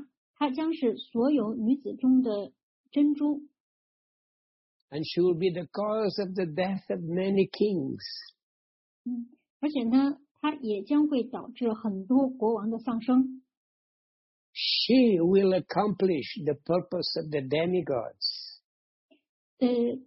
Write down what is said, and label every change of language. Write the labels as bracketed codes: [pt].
[zh] 那么这声音就说到，就是这个有着黑色肤色的姑娘，她将是所有女子中的珍珠。 [en] And she will be the cause of the death of many kings. [zh] 而且呢，她也将会导致很多国王的丧生。 [en] She will accomplish the purpose of the demigods.